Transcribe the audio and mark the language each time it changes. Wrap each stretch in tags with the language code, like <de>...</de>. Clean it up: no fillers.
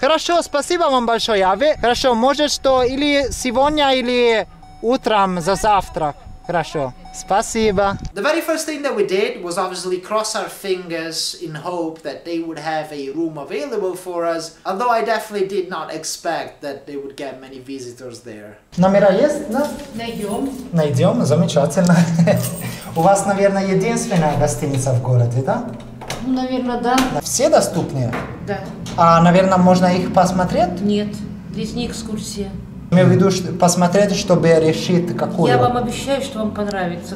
<ru>Хорошо, спасибо вам большое. А вы, хорошо, может, что или сегодня, или утром за завтрак? Хорошо, спасибо.</ru> <en>The very first thing that we did was obviously cross our fingers in hope that they would have a room available for us, although I definitely did not expect that they would get many visitors there.</en> <ru>Номера есть, да? Найдем, замечательно. У вас, наверное, единственная гостиница в городе, да? Наверное, да. Все доступные? Да. Наверное, можно их посмотреть? Нет, здесь не экскурсия. Имею в виду, посмотреть, чтобы решить, какую. Я вам обещаю, что вам понравится.</ru>